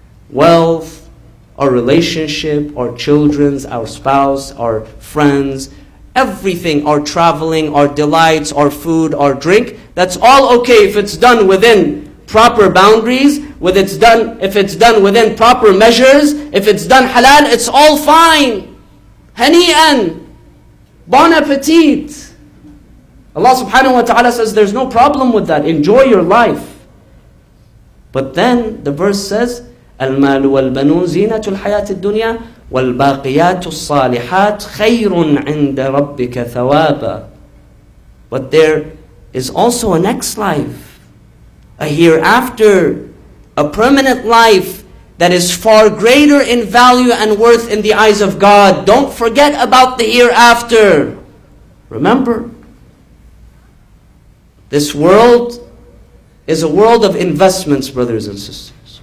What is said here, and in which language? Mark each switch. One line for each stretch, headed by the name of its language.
English: Wealth, our relationship, our children's, our spouse, our friends, everything, our traveling, our delights, our food, our drink, that's all okay if it's done within proper boundaries, if it's done within proper measures, if it's done halal, it's all fine. Hani'an. Bon appetit. Allah subhanahu wa ta'ala says there's no problem with that. Enjoy your life. But then the verse says,
Arabic: المال والبنون زينة الحياة الدنيا والباقيات الصالحات خير عند ربك ثوابا.
English: But there is also a next life, a hereafter, a permanent life that is far greater in value and worth in the eyes of God. Don't forget about the hereafter. Remember, this world is a world of investments, brothers and sisters.